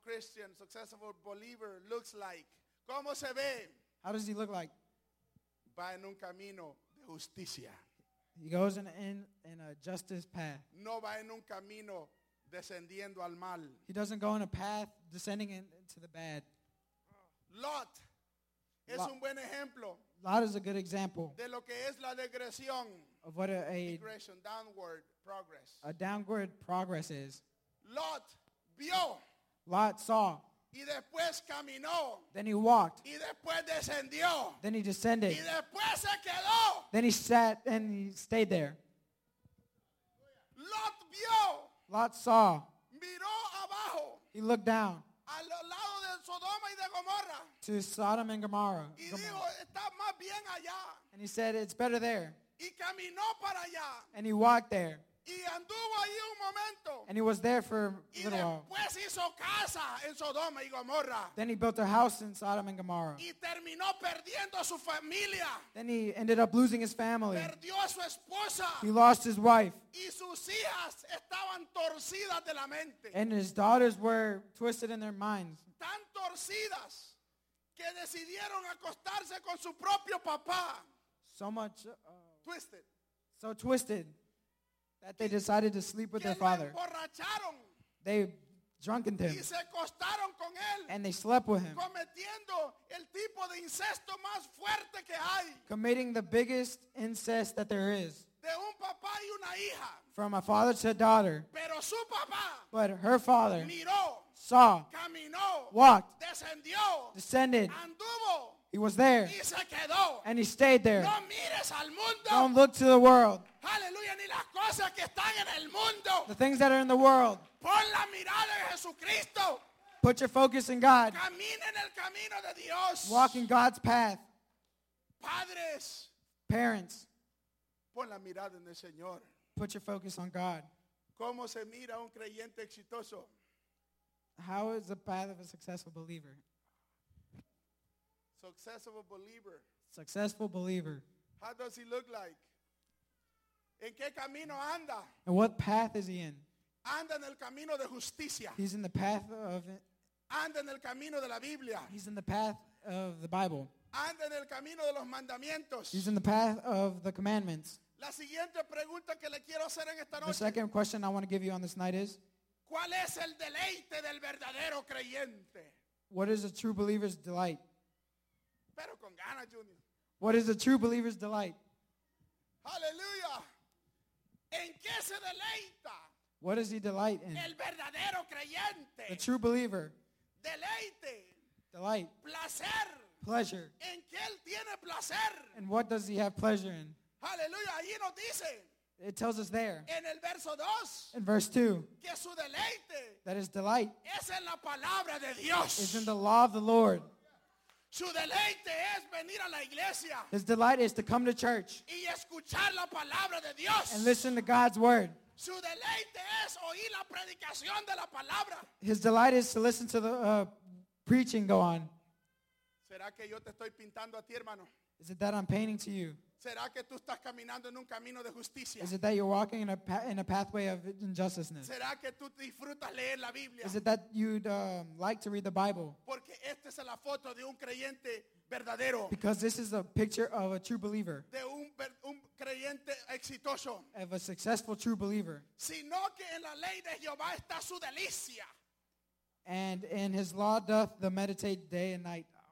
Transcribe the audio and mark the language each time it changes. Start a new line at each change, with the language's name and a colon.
English: Christian, successful believer looks like?
Spanish: ¿Cómo se ve?
English: How does he look like?
Spanish: Va en un camino de justicia.
English: He goes in a justice path.
Spanish: No va en un camino descendiendo al mal.
English: He doesn't go in a path descending into the bad.
Spanish: Lot. Es un buen ejemplo.
English: Lot is a good example
Spanish: de lo que es la degresión,
English: of what a degression, downward progress. A downward progress is.
Spanish: Lot vio.
English: Lot saw.
Spanish: Y después caminó.
English: Then he walked.
Spanish: Y después descendió.
English: Then he descended.
Spanish: Y después se quedó.
English: Then he sat and he stayed there.
Spanish: Lot vio.
English: Lot saw.
Spanish: Miró abajo.
English: He looked down.
Spanish: Al lado de Sodoma y de Gomorra.
English: To Sodom and Gomorrah.
Spanish: Y dijo, está más bien allá.
English: And he said, it's better there.
Spanish: Y caminó para allá.
English: And he walked there.
Spanish: Y anduvo ahí un momento.
English: And he was there for a little while.
Spanish: Y después hizo casa en Sodoma y Gomorra.
English: Then he built a house in Sodom and Gomorrah.
Spanish: Y terminó perdiendo su familia.
English: Then he ended up losing his family.
Spanish: Perdió a su esposa.
English: He lost his wife.
Spanish: Y sus hijas estaban torcidas de la mente.
English: And his daughters were twisted in their minds.
Spanish: Tan torcidas que decidieron acostarse con su propio papá.
English: So much twisted. So twisted. That they decided to sleep with their father. They drunken him.
Spanish: Y se acostaron con él,
English: and they slept with him.
Spanish: Cometiendo el tipo de incesto más fuerte que hay.
English: Committing the biggest incest that there is.
Spanish: De un papá y una hija.
English: From a father to a daughter.
Spanish: Pero su papá,
English: but her father
Spanish: miró,
English: saw.
Spanish: Caminó,
English: walked.
Spanish: Descendió,
English: descended.
Spanish: Anduvo,
English: he was there.
Spanish: Y se quedó.
English: And he stayed there.
Spanish: No mires al mundo.
English: Don't look to the world.
Spanish: Hallelujah, ni las cosas que están en el mundo.
English: The things that are in the world.
Spanish: Pon la mirada en Jesucristo.
English: Put your focus in God.
Spanish: Camina en el camino de Dios.
English: Walk in God's path.
Spanish: Padres.
English: Parents.
Spanish: Pon la mirada en el Señor.
English: Put your focus on God.
Spanish: ¿Cómo se mira un creyente exitoso?
English: How is the path of a successful believer? Successful believer. Successful believer. How does he look like?
Spanish: ¿En qué camino anda?
English: And what path is he in?
Spanish: Anda en el camino de justicia.
English: He's in the path of it.
Spanish: Anda en el camino de la Biblia.
English: He's in the path of the Bible.
Spanish: Anda en el camino de los mandamientos.
English: He's in the path of the commandments.
Spanish: La siguiente pregunta que le quiero hacer en esta noche.
English: The second question I want to give you on this night is,
Spanish: ¿cuál es el deleite del verdadero creyente?
English: What is a true believer's delight?
Spanish: Pero con ganas, Junior.
English: What is a true believer's delight?
Spanish: Hallelujah. ¿En qué se deleita?
English: What does he delight in?
Spanish: El verdadero creyente.
English: The true believer.
Spanish: Deleite.
English: Delight.
Spanish: Placer.
English: Pleasure.
Spanish: ¿En qué él tiene placer?
English: And what does he have pleasure in?
Spanish: Hallelujah. Allí nos dice.
English: It tells us there
Spanish: en el verso dos,
English: in verse 2
Spanish: que su deleite,
English: that his delight
Spanish: es en la palabra de Dios.
English: Is in the law of the Lord.
Spanish: Su deleite es venir a la iglesia.
English: His delight is to come to church
Spanish: y escuchar la palabra de Dios.
English: And listen to God's word.
Spanish: Su deleite es oír la predicación de la palabra.
English: His delight is to listen to the preaching go on.
Spanish: ¿Será que yo te estoy pintando a ti, hermano?
English: Is it that I'm painting to you?
Spanish: ¿Será que tú estás caminando en un camino de justicia?
English: Is it that you're walking in a pathway of injustice?
Spanish: ¿Será que tú disfrutas leer la Biblia?
English: Is it that you'd like to read the Bible?
Spanish: Porque esta es la foto de un creyente verdadero.
English: Because this is a picture of a true believer.
Spanish: De un creyente exitoso.
English: Of a successful true believer.
Spanish: Sino que en la ley de Jehová está su delicia.
English: And in his law doth the meditate day and night.